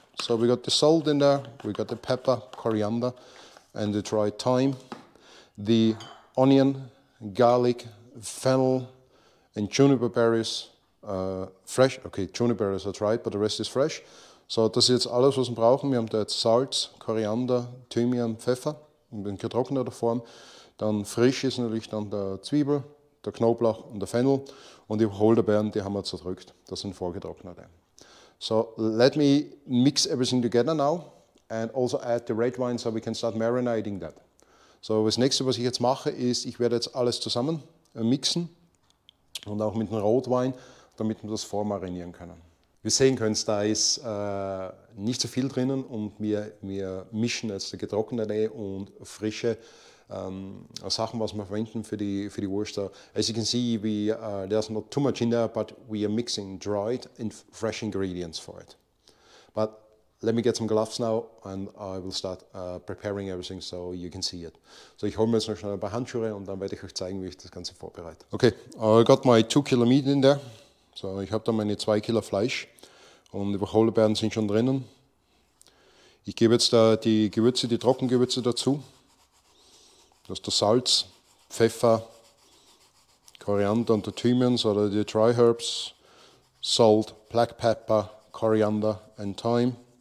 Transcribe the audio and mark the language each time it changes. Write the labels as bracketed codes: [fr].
[en] So we got the salt in there, we got the pepper, coriander, and the dried thyme, the onion, garlic, fennel, and juniper berries, fresh. Okay, juniper berries are dried, but the rest is fresh. [de] So das ist jetzt alles, was wir brauchen. Wir haben da jetzt Salz, Koriander, Thymian, Pfeffer in getrockneter Form. Dann frisch ist natürlich dann der Zwiebel, der Knoblauch und der Fennel. Und die Holderbeeren, die haben wir zerdrückt. Das sind vorgetrocknete. [en] So, let me mix everything together now and also add the red wine so we can start marinating that. [de] So, das nächste, was ich jetzt mache, ist, ich werde jetzt alles zusammen mixen und auch mit dem Rotwein, damit wir das vormarinieren können. Wir sehen können, da ist nicht so viel drinnen und wir mischen jetzt getrocknete und frische Sachen, was wir verwenden für die Wurst. [en] As you can see, there's not too much in there, but we are mixing dried and fresh ingredients for it. But let me get some gloves now and I will start preparing everything so you can see it. [de] So ich hole mir jetzt noch schnell ein paar Handschuhe und dann werde ich euch zeigen, wie ich das Ganze vorbereite. [en] Okay, I got my 2 kilo meat in there. [de] So ich habe da meine 2 kilo Fleisch und die Holderbeeren sind schon drinnen. Ich gebe jetzt da die Gewürze, die Trockengewürze dazu. Das ist der Salz, Pfeffer, Koriander und der Thymian, oder die [en] Dry Herbs, Salt, Black Pepper, [de] Koriander und Thyme.